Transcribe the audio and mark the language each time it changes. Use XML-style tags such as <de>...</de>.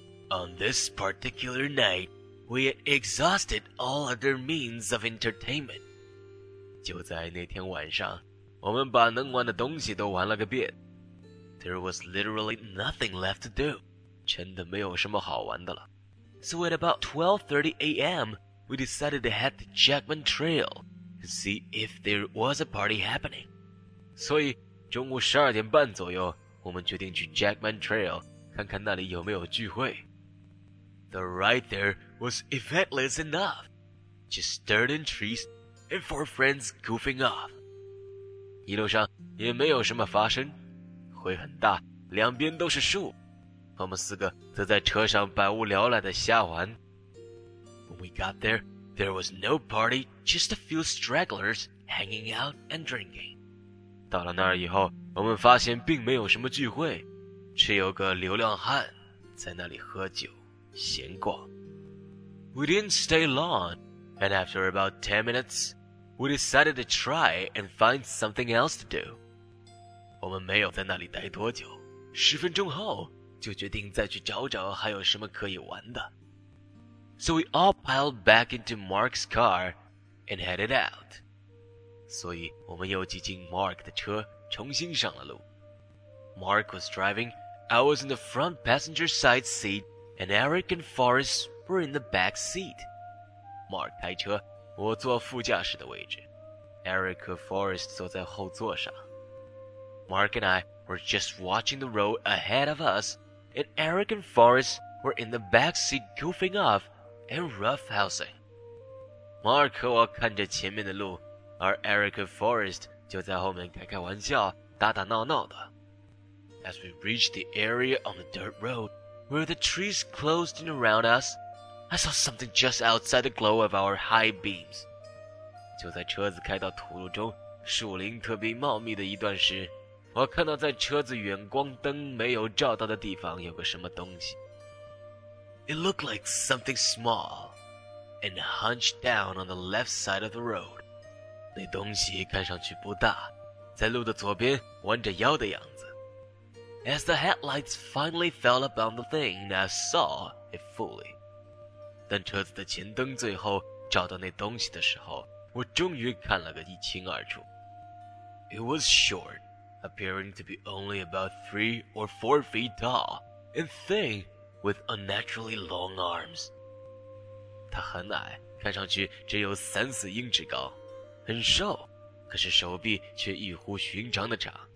<en>On this particular night, we had exhausted all other means of entertainment.</en> <zh>就在那天晚上，我们把能玩的东西都玩了个遍。</zh> <en>There was literally nothing left to do.</en> <zh>真的没有什么好玩的了。</zh> <en>So at about 12:30 a.m., we decided to head to Jackman Trail to see if there was a party happening.</en> <zh>所以中午12:30左右，我们决定去 Jackman Trail 看看那里有没有聚会。</zh> <en>The ride there was eventless enough, just dirt and trees and four friends goofing off.</en> <zh>一路上也没有什么发生，灰很大，两边都是树，我们四个则在车上百无聊赖的瞎玩。</zh> <en>When we got there, there was no party, just a few stragglers hanging out and drinking.</en> <zh>到了那儿以后，我们发现并没有什么聚会，只有个流浪汉在那里喝酒闲逛。</zh> <en>We didn't stay long, and after about 10 minutes, We decided to try and find something else to do.</en> <zh>我们没有在那里待多久，十分钟后就决定再去找找还有什么可以玩的。</zh> <en>So we all piled back into Mark's car and headed out.</en> <zh>所以我们又挤进 Mark 的车，重新上了路。</zh> <en>Mark was driving, I was in the front passenger side seat, and Eric and Forrest were in the back seat.</en> <zh>Mark 开车，我坐副驾驶的位置。Eric 和 Forrest 坐在后座上。</zh> <en>Mark and I were just watching the road ahead of us, and Eric and Forrest were in the back seat goofing off and roughhousing.</en> <zh>Mark 和我看着前面的路，而 Eric 和 Forrest 就在后面开开玩笑，打打闹闹的。</zh> <en>As we reached the area on the dirt road, where the trees closed in around us, I saw something just outside the glow of our high beams.</en> <zh>就在车子开到土路中，树林特别茂密的一段时，我看到在车子远光灯没有照到的地方有个什么东西。</zh> <en>It looked like something small and hunched down on the left side of the road.</en> <zh>那东西看上去不大，在路的左边弯着腰的样子。</zh> <en>As the headlights finally fell upon the thing, I saw it fully.</en> <zh>当车子的前灯最后照到那东西的时候，我终于看了个一清二楚。</zh> <en>It was short, appearing to be only about 3 or 4 feet tall, and thin, with unnaturally long arms.</en> <zh>它很矮，看上去只有3-4英尺高，很瘦，可是手臂却异乎寻常的长。</zh>